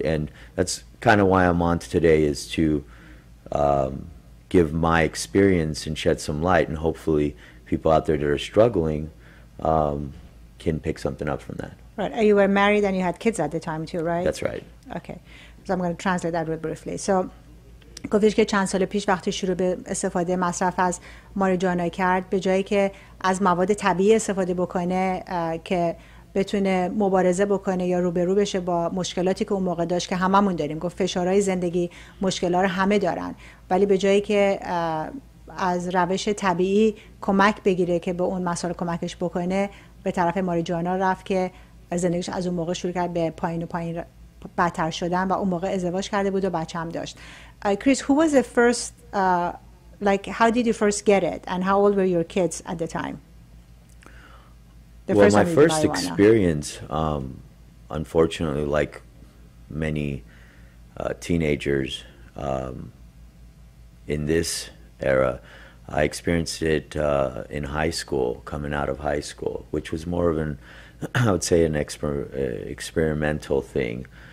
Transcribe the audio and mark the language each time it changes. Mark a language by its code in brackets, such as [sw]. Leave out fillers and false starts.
[en] And that's kind of why I'm on today, is to give my experience and shed some light, and hopefully people out there that are struggling can pick something up from that. Right. You were married and you had kids at the time too, right? That's right. Okay. So I'm going to translate that real briefly. So [fa] گفتش که چند سال پیش وقتی شروع به استفاده مصرف از ماریجوانا کرد، به جایی که از مواد طبیعی استفاده بکنه که بتونه مبارزه بکنه یا روبرو بشه با مشکلاتی که اون موقع داشت که هممون داریم، گفت فشارهای زندگی مشکلات رو همه دارن، ولی به جایی که از روش طبیعی کمک بگیره که به اون مسائل کمکش بکنه، به طرف ماریجوانا رفت که زندگیش از اون موقع شروع کرد به پایین و پایین بدتر شدن و اون موقع ازدواج کرده بود و بچه هم داشت. [en] Chris, who was the first, how did you first get it? And how old were your kids at the time? Well, my first experience, unfortunately, like many teenagers in this era, I experienced it in high school, coming out of high school, which was more of an, I would say, an experimental thing.